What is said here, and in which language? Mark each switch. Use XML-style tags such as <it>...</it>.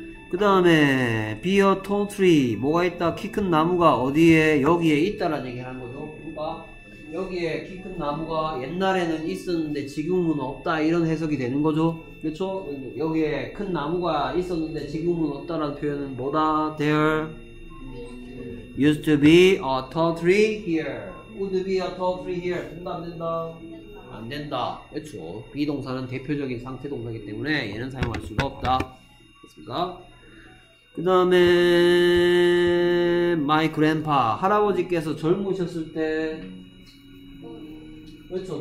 <ko>그 다음에</ko> <en>be a tall tree</en> <ko>뭐가 있다? 키 큰 나무가 어디에? 여기에 있다라는 얘기를 하는 거죠. 그러니까 여기에 키 큰 나무가 옛날에는 있었는데 지금은 없다 이런 해석이 되는 거죠. 그렇죠? 여기에 큰 나무가 있었는데 지금은 없다라는 표현은 뭐다?</ko> <en>There used to be a tall tree here. Would be a tall tree here.</en> <ko>된다 안 된다? 안 된다. 그렇죠. 비동사는 대표적인 상태 동사이기 때문에 얘는 사용할 수가 없다. 됐습니까? 그 다음에</ko> <en>My grandpa</en> <ko>할아버지께서 젊으셨을 때 그렇죠.</ko>